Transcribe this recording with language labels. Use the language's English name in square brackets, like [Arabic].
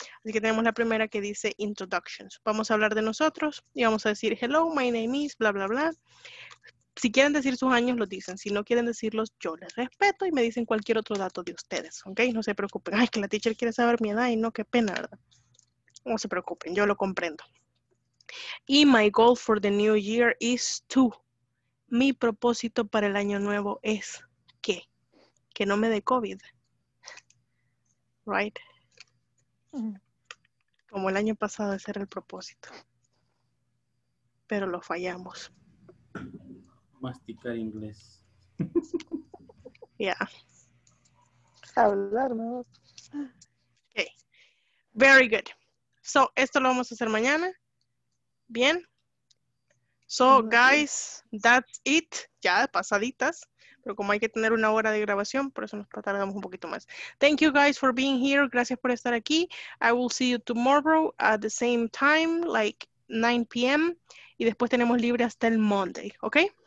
[Spanish] Así que tenemos la primera que dice introductions. Vamos a hablar de nosotros y vamos a decir [English] hello, my name is, [Spanish] bla, bla, bla. Si quieren decir sus años, lo dicen. Si no quieren decirlos, yo les respeto y me dicen cualquier otro dato de ustedes, ¿ok? No se preocupen. Ay, que la teacher quiere saber mi edad y no, qué pena, ¿verdad? No se preocupen, yo lo comprendo. [English] Y my goal for the new year is to... [Spanish] Mi propósito para el año nuevo es que no me dé COVID. [English] Right? [Spanish] Como el año pasado, ese era el propósito. Pero lo fallamos. Masticar inglés. [English] Yeah. [Spanish] Hablar, ¿no? [English] Okay. Very good. So, [Spanish] esto lo vamos a hacer mañana. Bien. [English] So, guys, that's it. [Spanish] Ya, pasaditas. Pero como hay que tener una hora de grabación, por eso nos tardamos un poquito más. [English] Thank you, guys, for being here. [Spanish] Gracias por estar aquí. [English] I will see you tomorrow at the same time, like 9 p.m. [Spanish] Y después tenemos libre hasta el Monday, ¿ok?